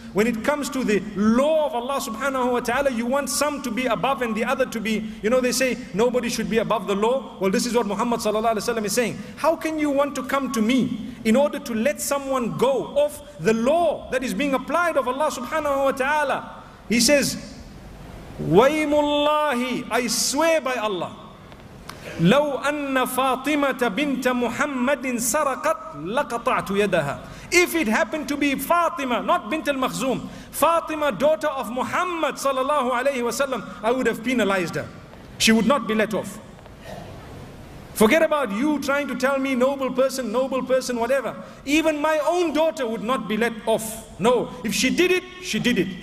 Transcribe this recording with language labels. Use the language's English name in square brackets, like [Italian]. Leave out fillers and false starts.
[English] When it comes to the law of Allah subhanahu wa ta'ala, you want some to be above and the other to be, you know, they say nobody should be above the law. Well, this is what Muhammad sallallahu alaihi wasallam is saying. How can you want to come to me in order to let someone go off the law that is being applied of Allah subhanahu wa ta'ala? He says, "Waymullahi, I swear by Allah, [Arabic] لو أن فاطمة بنت محمد سرقت لقطعت يدها." [English] If it happened to be Fatima, not bint al-Makhzum, Fatima, daughter of Muhammad sallallahu alayhi wasallam, I would have penalized her. She would not be let off. Forget about you trying to tell me noble person, whatever. Even my own daughter would not be let off. No, if she did it, she did it.